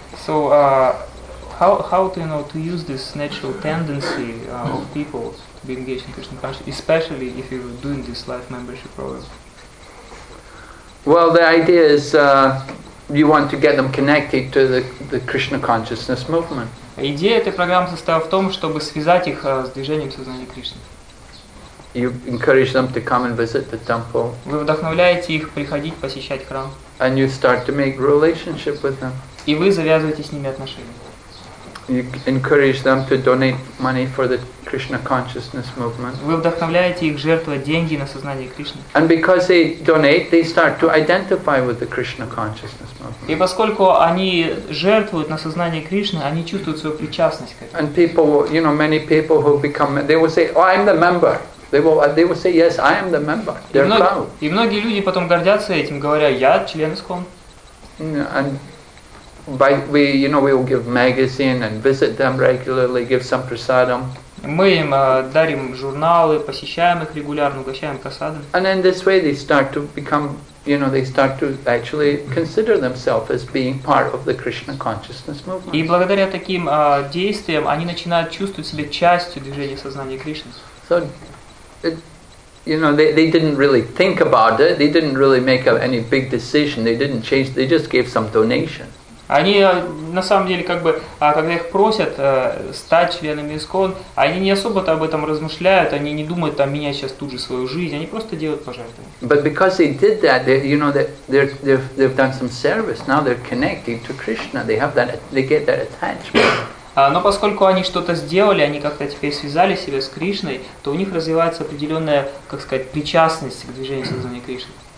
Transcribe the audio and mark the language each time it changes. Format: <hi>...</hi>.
<en>So how to, you know, to use this natural tendency of people to be engaged in Krishna consciousness, especially if you're doing this life membership program? Well, the idea is you want to get them connected to the Krishna consciousness movement.</en> <ru>Идея этой программы состоит в том, чтобы связать их с движением сознания Кришны.</ru> <en>You encourage them to come and visit the temple.</en> <ru>Вы вдохновляете их приходить посещать храм.</ru> <en>And you start to make relationship with them.</en> <ru>И вы завязываете с ними отношения.</ru> <en>You encourage them to donate money for the Krishna consciousness movement.</en> <ru>Вы вдохновляете их жертвовать деньги на сознание Кришны.</ru> <en>And because they donate, they start to identify with the Krishna consciousness movement.</en> <ru>И поскольку они жертвуют на сознание Кришны, они чувствуют свою причастность к этому.</ru> <en>And people, you know, many people who become, they will say, "Oh, I'm the member." They will say, "Yes, I am the member." They're proud.</en> <ru>И многие люди потом гордятся этим, говоря, "Я член ИСККОН."</ru> <en>We will give magazine and visit them regularly, give some prasadam.</en> <ru>Мы им дарим журналы, посещаем их регулярно, угощаем прасадом.</ru> <en>And in this way they start to become, you know, they start to actually consider themselves as being part of the Krishna consciousness movement.</en> <ru>И благодаря таким действиям они начинают чувствовать себя частью движения сознания Кришны.</ru> <en>So, they didn't really think about it, they didn't really make any big decision, they didn't change, they just gave some donation.</en> <ru>Они на самом деле, как бы, когда их просят стать членами ИСККОН, они не особо-то об этом размышляют, они не думают там менять сейчас тут же свою жизнь, они просто делают пожертвования.</ru> <en>But because they did that, they've done some service. Now they're connected to Krishna. They have that. They get that attachment.</en> <ru>Но поскольку они что-то сделали, они как-то теперь связали себя с Кришной, то у них развивается определенная, как сказать, причастность к движению сознания Кришны.</ru>